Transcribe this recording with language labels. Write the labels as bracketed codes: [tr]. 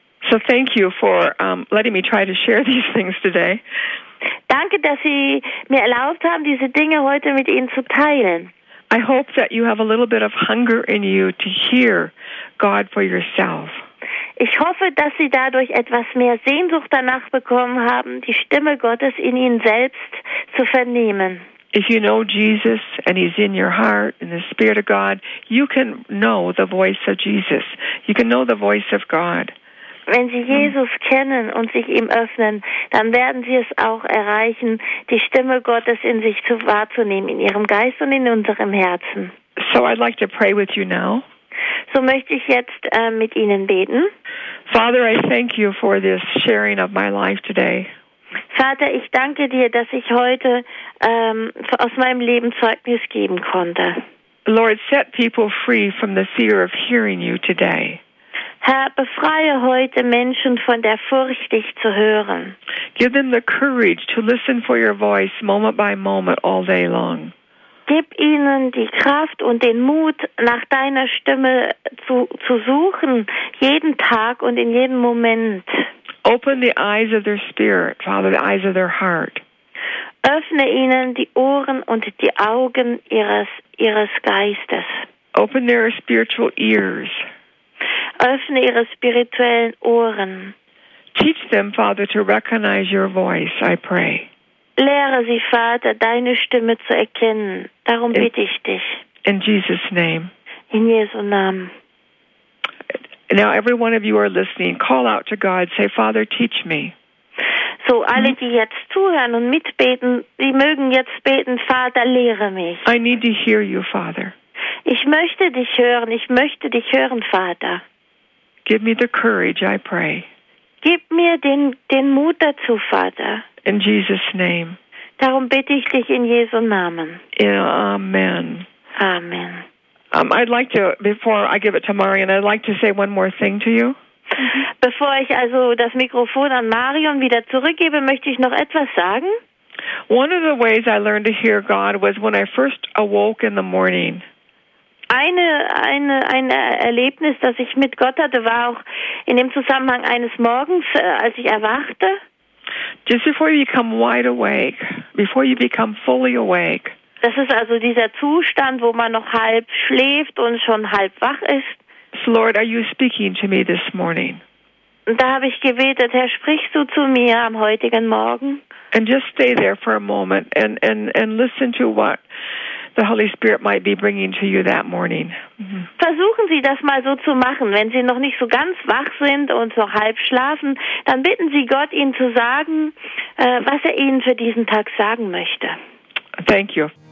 [en] So thank you for letting me try to share these things today. [de] Danke, dass Sie mir erlaubt haben, diese Dinge heute mit Ihnen zu teilen. [en] I hope that you have a little bit of hunger in you to hear God for yourself. [de] Ich hoffe, dass Sie dadurch etwas mehr Sehnsucht danach bekommen haben, die Stimme Gottes in Ihnen selbst zu vernehmen. [en] If you know Jesus and he's in your heart in the Spirit of God, you can know the voice of Jesus. You can know the voice of God. [de] Wenn Sie Jesus kennen und sich ihm öffnen, dann werden Sie es auch erreichen, die Stimme Gottes in sich zu wahrzunehmen, in Ihrem Geist und in unserem Herzen. [en] So I'd like to pray with you now. [de] So möchte ich jetzt mit Ihnen beten. [en] Father, I thank you for this sharing of my life today. [de] Vater, ich danke dir, dass ich heute aus meinem Leben Zeugnis geben konnte. [en] Lord, set people free from the fear of hearing you today. [de] Herr, befreie heute Menschen von der Furcht, dich zu hören. [en] Give them the courage to listen for your voice moment by moment all day long. [de] Gib ihnen die Kraft und den Mut, nach deiner Stimme zu suchen, jeden Tag und in jedem Moment. [en] Open the eyes of their spirit, Father, the eyes of their heart. [de] Öffne ihnen die Ohren und die Augen ihres Geistes. [en] Open their spiritual ears. [de] Öffne ihre spirituellen Ohren. [en] Teach them, Father, to recognize your voice, I pray. [de] Lehre sie, Vater, deine Stimme zu erkennen. Darum bitte ich dich. [en] In Jesus' name. [de] In Jesu Namen. [en] Now, every one of you are listening, call out to God, say, Father, teach me. [de] So, alle, die jetzt zuhören und mitbeten, die mögen jetzt beten, Vater, lehre mich. [en] I need to hear you, Father. [de] Ich möchte dich hören, Vater. [en] Give me the courage, I pray. [de] Gib mir den Mut dazu, Vater. [en] In Jesus' name. [de] Darum bitte ich dich in Jesu Namen. Amen. Amen. [en] I'd like to, before I give it to Marion, I'd like to say one more thing to you. [de] Bevor ich also das Mikrofon an Marion wieder zurückgebe, möchte ich noch etwas sagen. [en] One of the ways I learned to hear God was when I first awoke in the morning. [de] Ein Erlebnis, das ich mit Gott hatte, war auch in dem Zusammenhang eines Morgens, als ich erwachte. [en] Just before you become wide awake, before you become fully awake. [de] Das ist also dieser Zustand, wo man noch halb schläft und schon halb wach ist. [en] So Lord, are you speaking to me this morning? [de] Und da habe ich gebetet, Herr, sprichst du zu mir am heutigen Morgen? [en] And just stay there for a moment and listen to what the Holy Spirit might be bringing to you that morning. [de] Versuchen Sie das mal so zu machen. Wenn Sie noch nicht so ganz wach sind und so halb schlafen, dann bitten Sie Gott, Ihnen zu sagen, was er Ihnen für diesen Tag sagen möchte. [en] Thank you.